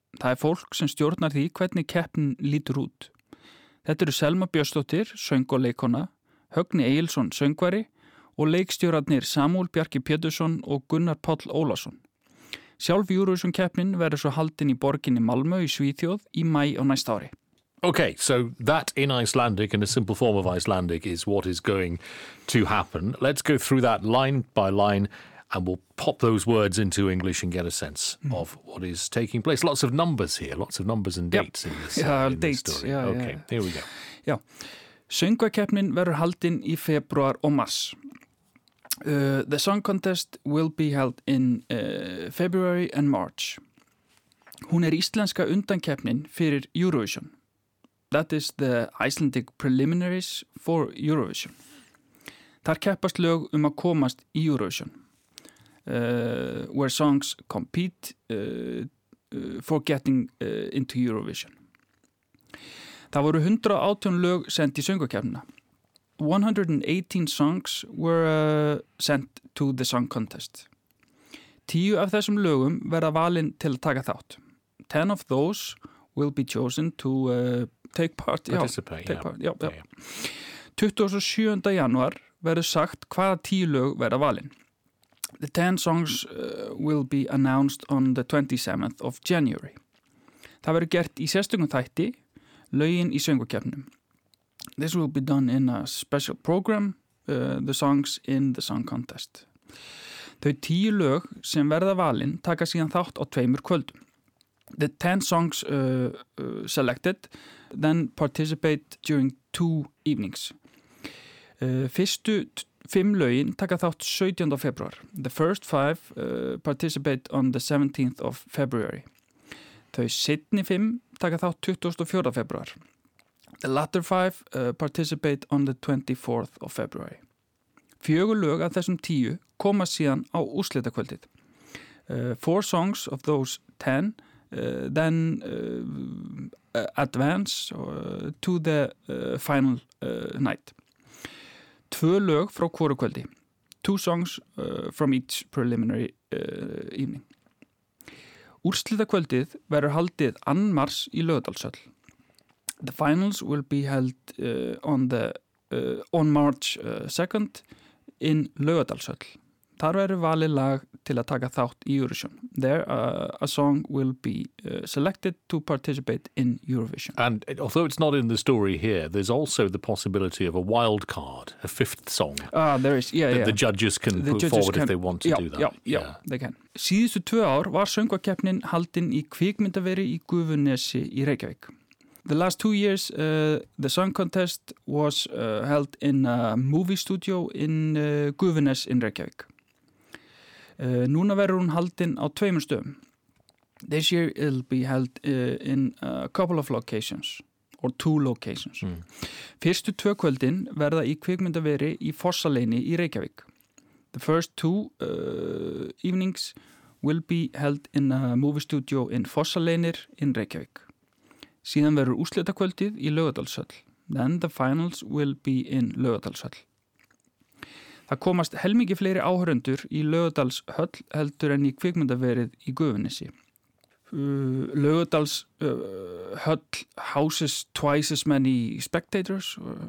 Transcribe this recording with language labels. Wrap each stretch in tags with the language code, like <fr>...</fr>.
<is>Það fólk sem stjórnar því hvernig keppnin lítur út. Þetta eru Selma Björnsdóttir, söng og leikona, Högni Egilsson, söngvari og leikstjórarnir Samúl Bjarki Pétursson og Gunnar Páll Ólason. Sjálf Eurovision keppnin verður svo haldin í borginni Malmö í Svíþjóð í maí á næsta ári.</is> <en>Okay, so that in Icelandic, in a simple form of Icelandic, is what is going to happen. Let's go through that line by line and we'll pop those words into English and get a sense of what is taking place. Lots of numbers here, lots of numbers and dates in this story. Yeah, okay, here we go.</en> <is>Já, söngvakeppnin verður haldin í februar og mars.</is> <en>The song contest will be held in February and March.</en> <is>Hún íslenska undankeppnin fyrir Eurovision.</is> <en>That is the Icelandic preliminaries for Eurovision.</en> <is>Þar keppast lög að komast í Eurovision.</is> <en>Where songs compete for getting into Eurovision.</en> <is>Það voru 118 lög sent í söngvakeppnina.</is> <en>118 songs were sent to the song contest.</en> <is>10 af þessum lögum verða valin til að taka þátt.</is> <en>10 of those will be chosen to take part. Participate.</en> <is>27. janúar verður sagt hvaða 10 lög verða valin.</is> <en>The 10 songs will be announced on the 27th of January.</en> <is>Það verður gert í sérstökum þætti, lögin í söngvakeppninni.</is> <en>This will be done in a special program, the songs in the song contest.</en> <is>Þau 10 lög sem verða valin taka síðan þátt á tveimur kvöldum.</is> <en>The 10 songs selected then participate during 2 evenings.</en> <is>Fyrstu 5 lögin taka þátt 17. februar.</is> <en>The first 5 participate on the 17th of February.</en> <is>Þau seinni 5 taka þátt 24. februar.</is> <en>The latter 5 participate on the 24th of February.</en> <is>Fjögur lög af þessum tíu koma síðan á úrslitakvöldið.</is> <en>Four songs of those ten then advance to the final night.</en> <is>Tvö lög frá hvoru kvöldi.</is> <en>Two songs from each preliminary evening.</en> <is>Úrslitakvöldið verður haldið annan mars í Laugardalshöll.</is> <en>The finals will be held on March 2nd in Laugardalshöll.</en> <is>Þar verður valið lag til að taka þátt í Eurovision.</is> <en>There a song will be selected to participate in Eurovision. And although it's not in the story here, there's also the possibility of a wild card, a fifth song. Ah, there is. Yeah, that yeah. The judges can the put judges forward can, if they want to yeah, do that. Yeah, they can.</en> <is>Síðustu tvö ár var söngvakeppnin haldin í kvikmyndaveri í Gufunesi í Reykjavík.</is> <en>The last 2 years, the song contest was held in a movie studio in Gufunes in Reykjavík.</en> <is>Núna verður hún haldin á tveimur stöðum.</is> <en>This year it'll be held in a couple of locations, or two locations. Mm.</en> <is>Fyrstu tvö kvöldin verða í kvikmyndaveri í Fossaleini í Reykjavík.</is> <en>The first two evenings will be held in a movie studio in Fossaleinir in Reykjavík.</en> <is>Síðan verður úrslitakvöldið í Laugardalshöll.</is> <en>Then the finals will be in Laugardalshöll.</en> <is>Það komast helmingi fleiri áhorfendur í Laugardalshöll heldur en í kvikmyndaverið í Gufunesi.</is> <en>Laugardalshöll houses twice as many spectators.</en>